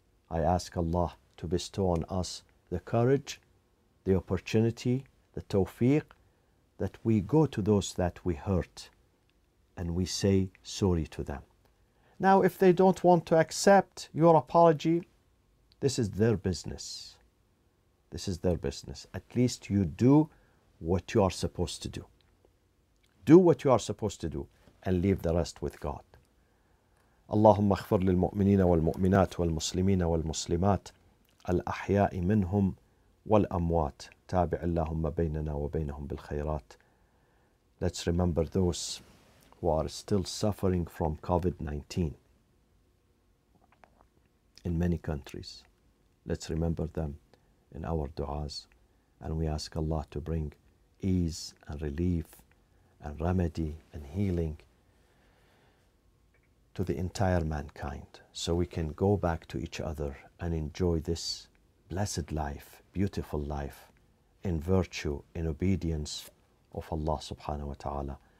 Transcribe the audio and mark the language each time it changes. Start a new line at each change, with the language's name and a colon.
English: I ask Allah to bestow on us the courage, the opportunity, the tawfiq, that we go to those that we hurt and we say sorry to them. Now, if they don't want to accept your apology, this is their business. This is their business. At least you do what you are supposed to do. Do what you are supposed to do and leave the rest with God.
Arabic: اللهم اغفر للمؤمنين والمؤمنات والمسلمين والمسلمات الأحياء منهم والأموات تابع اللهم بيننا وبينهم بالخيرات.
English: Let's remember those who are still suffering from COVID-19 in many countries. Let's remember them in our du'as, and we ask Allah to bring ease and relief and remedy and healing to the entire mankind, so we can go back to each other and enjoy this blessed life, beautiful life, in virtue, in obedience of Allah subhanahu wa ta'ala.